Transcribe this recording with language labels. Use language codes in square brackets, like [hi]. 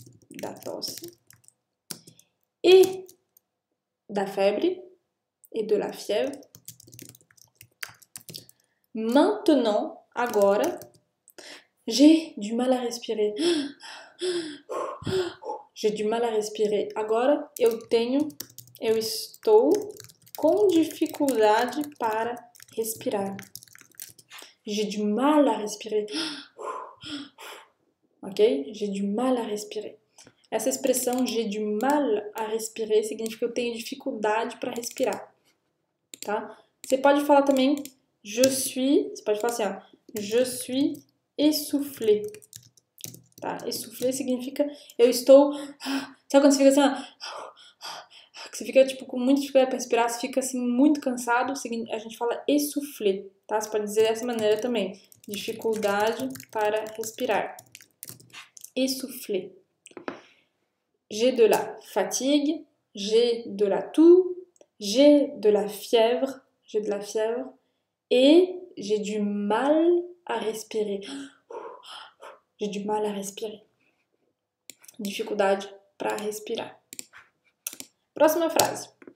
[pt] da tosse [fr] et [pt] da febre [fr] et de la fièvre. Maintenant, [pt] agora, [fr] j'ai du mal à respirer. J'ai du mal à respirer. [pt] Agora, eu estou com dificuldade para respirar. [fr] J'ai du mal à respirer. [pt] Ok? [fr] J'ai du mal à respirer. [pt] Essa expressão, [fr] j'ai du mal à respirer, [pt] significa que eu tenho dificuldade para respirar. Tá? Você pode falar também, você pode falar assim, ó, [fr] je suis essoufflé. [pt] Tá? Essoufflé significa, eu estou, sabe quando você fica assim, ó, você fica tipo com muita dificuldade para respirar, você fica assim muito cansado, a gente fala essoufflé. Tá? Você pode dizer dessa maneira também, dificuldade para respirar. [fr] Essoufflé. J'ai de la fatigue, j'ai de la toux, j'ai de la fièvre, j'ai de la fièvre et j'ai du mal à respirer. J'ai du mal à respirer. [pt] Dificuldade para respirar. Próxima frase.